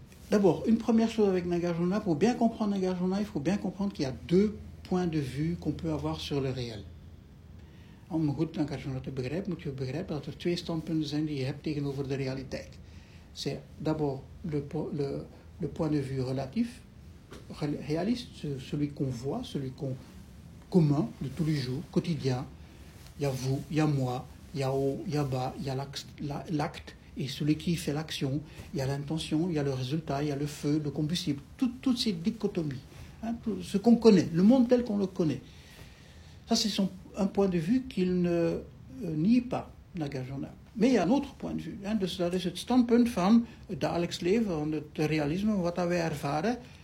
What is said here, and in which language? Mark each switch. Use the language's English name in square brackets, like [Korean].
[French] D'abord, une première chose avec Nagarjuna, pour bien comprendre Nagarjuna, il faut bien comprendre qu'il y a deux points de vue qu'on peut avoir sur le réel. [Dutch] Om goed Nagarjuna te begrijpen, moet je begrijpen dat er twee standpunten zijn die je hebt tegenover de realiteit. [French] C'est d'abord le point de vue relatif, réaliste, celui qu'on voit, celui qu'on commun de tous les jours, quotidien. Il y a vous, il y a moi. Il y a haut, il y a bas, il y a l'acte et celui qui fait l'action, il y a l'intention, il y a le résultat, il y a le feu, le combustible, toutes ces dichotomies, hein, tout ce qu'on connaît, le monde tel qu'on le connaît. Ça, c'est un point de vue qu'il ne nie pas, Nagarjuna. Mais il y a un autre point de vue. Hein. [Dutch] Dus dat is het standpunt van het dagelijks leven, van het realisme, wat dat wij ervaren.